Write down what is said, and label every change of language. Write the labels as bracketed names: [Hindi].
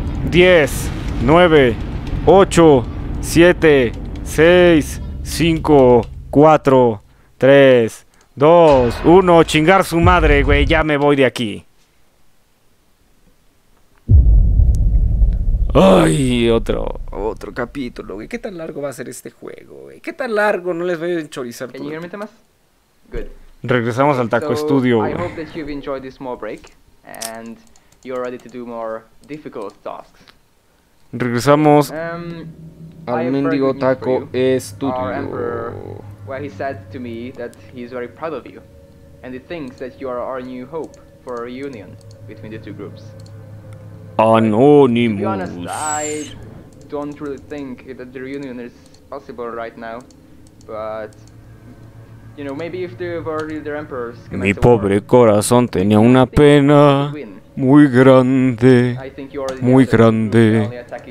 [Spanish] Diez, nueve, ocho, siete, seis, cinco, cuatro, tres, dos, uno. Chingar su madre, güey. Ya me voy de aquí. Ay, otro capítulo, güey. ¿Qué tan largo va a ser este juego, güey? ¿Qué tan largo? No les voy a enchorizar todo. [English] ¿Can you hear me, Tomás? Good. [Spanish] Regresamos al Taco Estudio, [English] güey. I hope that you've enjoyed this small break and you're ready to do more difficult tasks. [Spanish] Regresamos al mendigo taco estudio. [English] Where he said to me that he is very proud of you and he thinks that you are our new hope for a reunion between the two groups. Anonymous. To be honest, I don't really think that the reunion is possible right now, but you know, maybe if they were really their emperors. [Spanish] Mi pobre corazón tenía una pena muy grande, muy grande.